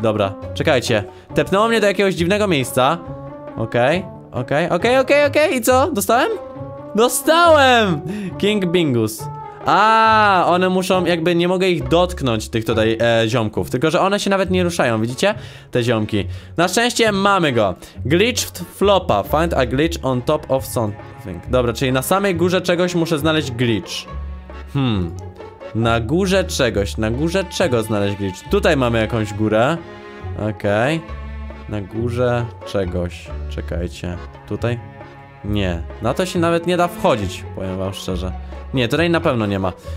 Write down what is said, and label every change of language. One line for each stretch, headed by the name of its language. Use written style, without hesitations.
Polish: Dobra, czekajcie. Tepnęło mnie do jakiegoś dziwnego miejsca. Okej. Okay. Okej, okay, okej, okay, okej, okay, okej, okay. I co? Dostałem? Dostałem! King Bingus. Aaa, one muszą, jakby nie mogę ich dotknąć, tych tutaj ziomków. Tylko, że one się nawet nie ruszają, widzicie? Te ziomki. Na szczęście mamy go.
English: Glitched flopa, find a glitch on top of something.
Polish: Dobra, czyli na samej górze czegoś muszę znaleźć glitch. Na górze czegoś, na górze czego znaleźć glitch? Tutaj mamy jakąś górę. Okej, okay. Na górze czegoś. Czekajcie. Tutaj? Nie. Na to się nawet nie da wchodzić, powiem wam szczerze. Nie, tutaj na pewno nie ma.